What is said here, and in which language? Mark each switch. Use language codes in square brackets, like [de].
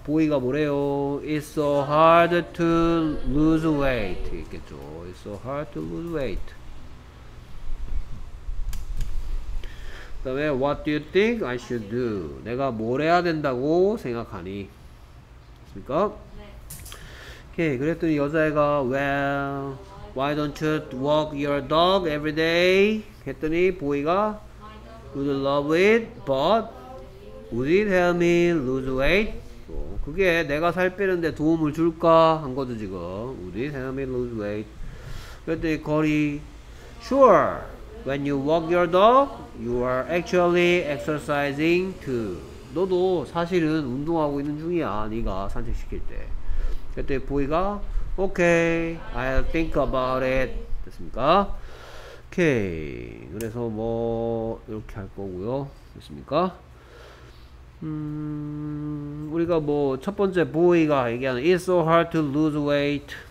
[ko] 보이가 뭐래요? [en] It's so hard to lose weight. [ko] 있겠죠. [en] It's so hard to lose weight. [ko] 그 다음에 [en] What do you think I should do? [ko] 내가 뭘 해야 된다고 생각하니? 됐습니까? 오케이. 그랬더니 여자애가 [en] Well, why don't you walk your dog every day? [ko] 했더니 보이가 [en] Would love it, but Would it help me lose weight? [ko] 어, 그게 내가 살 빼는데 도움을 줄까? 한 거죠 지금. [en] Would it help me lose weight? [ko] 그랬더니 거리 [en] Sure! When you walk your dog, you are actually exercising too. [ko] 너도 사실은 운동하고 있는 중이야, 네가 산책시킬 때. 그때 보이가 [en] Okay, I'll think about it. [ko] 됐습니까? Okay, 그래서 뭐 이렇게 할 거고요. 됐습니까? 우리가 뭐 첫 번째 보이가 얘기하는 [en] It's so hard to lose weight.